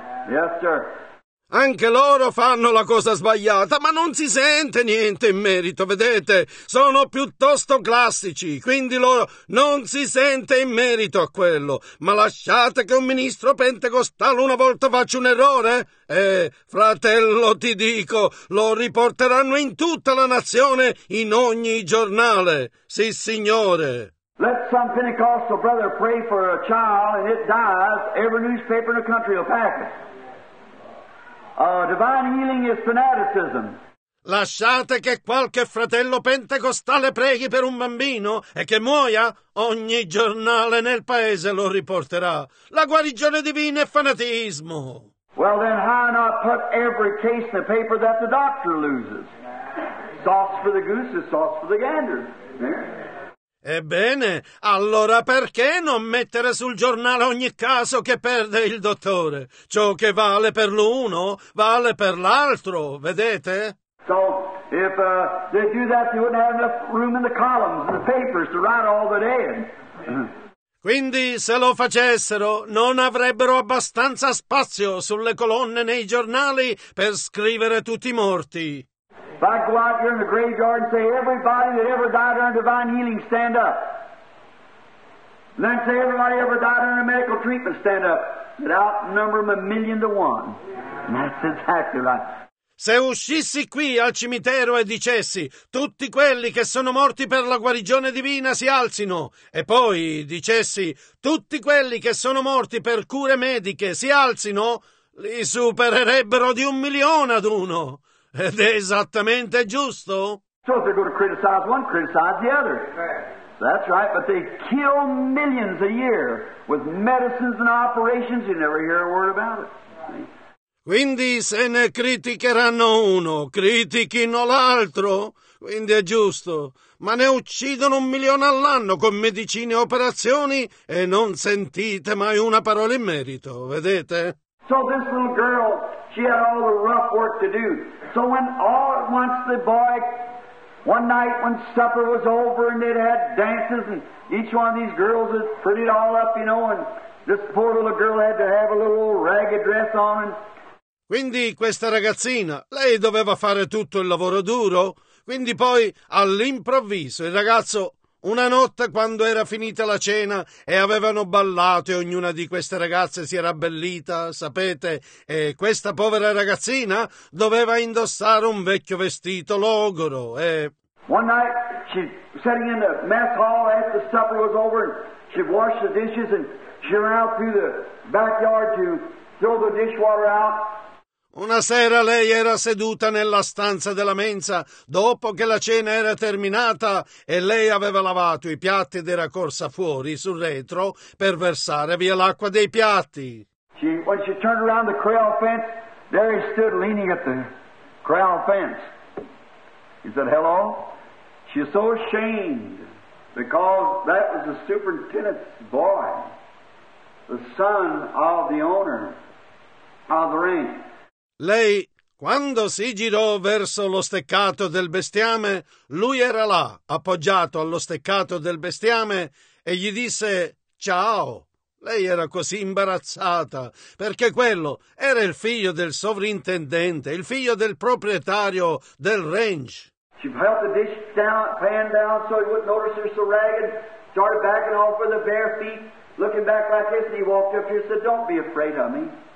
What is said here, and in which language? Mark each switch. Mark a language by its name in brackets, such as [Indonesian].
[English] Yes, sir. [Italian] Anche loro fanno la cosa sbagliata, ma non si sente niente in merito, vedete? Sono piuttosto classici, quindi loro non si sente in merito a quello. Ma lasciate che un ministro pentecostale una volta faccia un errore? Fratello, ti dico, lo riporteranno in tutta la nazione, in ogni giornale. Sì, signore. [English] Let some Pentecostal brother pray for a child and it dies, every newspaper in the country will pack it. Divine healing is fanaticism. [Italian] Lasciate che qualche fratello pentecostale preghi per un bambino e che muoia? Ogni giornale nel paese lo riporterà. La guarigione divina è fanatismo. [English] Well then, why not put every case in the paper that the doctor loses? Sauce for the goose is sauce for the gander. [Italian] Ebbene, allora perché non mettere sul giornale ogni caso che perde il dottore? Ciò che vale per l'uno, vale per l'altro, vedete? [English] So, if they do that, you wouldn't have enough room in the columns and the papers to write all the dead. [Italian] Quindi, se lo facessero, non avrebbero abbastanza spazio sulle colonne nei giornali per scrivere tutti i morti. [English] If I go out here in the graveyard and say, everybody that ever died under divine healing, stand up. And then say, everybody ever died under medical treatment, stand up. And outnumber them 1,000,000 to 1. And that's exactly right. [Italian] Se uscissi qui al cimitero e dicessi, tutti quelli che sono morti per la guarigione divina si alzino, e poi dicessi, tutti quelli che sono morti per cure mediche si alzino, li supererebbero di 1,000,000 ad 1. Ed è esattamente giusto. [English] So if they're going to criticize one, criticize the other. That's right, but they kill millions a year with medicines and operations. You never hear a word about it. [Italian] Quindi se ne criticheranno uno, critichino l'altro. Quindi è giusto. Ma ne uccidono 1,000,000 all'anno con medicine e operazioni e non sentite mai una parola in merito, vedete? [English] So this little girl, she had all the rough work to do. So when all at once the boy, one night when supper was over and they'd had dances and each one of these girls had pretty it all up, you know, and this poor little girl had to have a little ragged dress on. And... [Italian] Quindi questa ragazzina, lei doveva fare tutto il lavoro duro, quindi poi all'improvviso il ragazzo... Una notte, quando era finita la cena e avevano ballato e ognuna di queste ragazze si era abbellita, sapete, e questa povera ragazzina doveva indossare un vecchio vestito logoro e... [English] One night, she sitting in the mess hall after supper was over, she washed the dishes and she ran out through the backyard to throw the dishwater out. [Italian] Una sera lei era seduta nella stanza della mensa dopo che la cena era terminata e lei aveva lavato i piatti ed era corsa fuori sul retro per versare via l'acqua dei piatti. [English] When she turned around the corral fence, there he stood leaning at the corral fence. He said, hello? She was so ashamed because that was the superintendent's boy, the son of the owner of the ranch. [Italian] Lei, quando si girò verso lo steccato del bestiame, lui era là, appoggiato allo steccato del bestiame, e gli disse «Ciao!». Lei era così imbarazzata, perché quello era il figlio del sovrintendente, il figlio del proprietario del ranch. [English] She held the dish down, pan down so he wouldn't notice her so ragged, started backing off with her bare feet, looking back like this, and he walked up here and said «Don't be afraid of me».